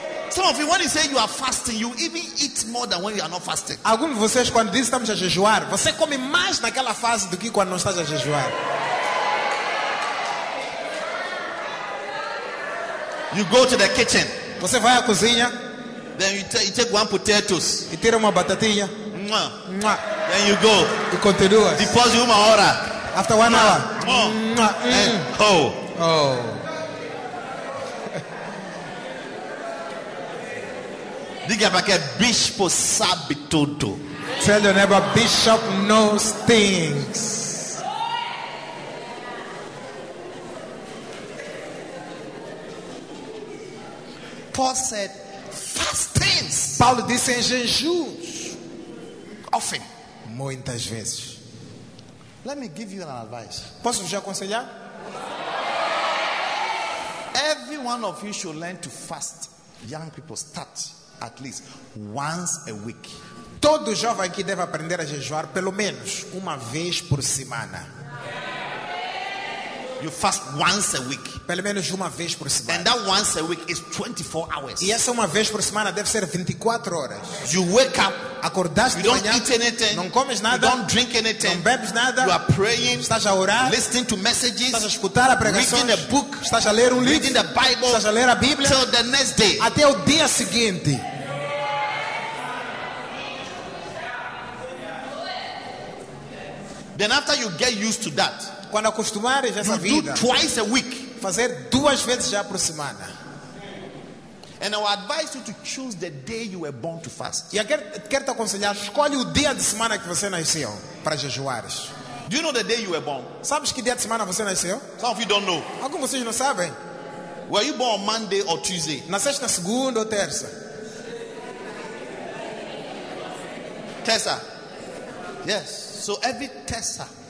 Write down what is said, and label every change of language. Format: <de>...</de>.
<en>Some of you, when you say you are fasting, you even eat more than when you are not fasting.</en> <pt>Alguns de vocês, quando dizem que estamos a jejuar, você come mais naquela fase do que quando não está a jejuar.</pt> <en>You go to the kitchen.</en> <pt>Você vai à cozinha.</pt> <en>Then you take one potatoes.</en> <pt>E tira uma batatinha. Mwah. Mwah.</pt> <en>Then you go.</en> <pt>E continua. Depois de uma hora.</pt> <en>After 1 hour. Mwah. Mwah. And, oh. Oh.</en> <pt>Diga para que bispo sabe tudo.</pt> <en>Tell your neighbor, bishop knows things. Paul said, fast things.</en> <pt>Paulo disse em jejuns.</pt> <en>Often.</en> <pt>Muitas vezes.</pt> <en>Let me give you an advice.</en> <pt>Posso vos aconselhar?</pt> <en>Every one of you should learn to fast. Young people, start. At least once a week.</en> <pt>Todo jovem aqui deve aprender a jejuar pelo menos uma vez por semana.</pt> <en>You fast once a week.</en> <pt>Pelo menos uma vez por semana.</pt> <en>And that once a week is 24 hours.</en> <pt>E essa uma vez por semana deve ser 24 horas.</pt> <en>You wake up,</en> <pt>acordaste de manhã,</pt> <en>don't eat anything,</en> <pt>não comes nada,</pt> <en>you don't drink anything,</en> <pt>não bebes nada,</pt> <en>you are praying,</en> <pt>estás a orar,</pt> <en>listening to messages,</en> <pt>estás a escutar a pregação,</pt> <en>reading a book,</en> <pt>estás a ler um livro,</pt> <en>reading the Bible,</en> <pt>estás a ler a Bíblia,</pt> <en>till the next day.</en> <pt>Até o dia seguinte.</pt> <en>Then after you get used to that,</en> <pt>quando acostumares a essa vida,</pt> <en>you do twice a week,</en> <pt>fazer duas vezes já por semana.</pt> <en>And I would advise you to choose the day you were born to fast.</en> <pt>E quero te aconselhar, escolhe o dia de semana que você nasceu para jejuares.</pt> <en>Do you know the day you were born?</en> <pt>Sabes que dia de semana você nasceu?</pt> <en>Some of you don't know.</en> <pt>Alguns vocês não sabem.</pt> <en>Were you born Monday or Tuesday?</en> <pt>Nasceste na segunda ou terça? Terça.</pt> <en>Yes. So every terça.</en>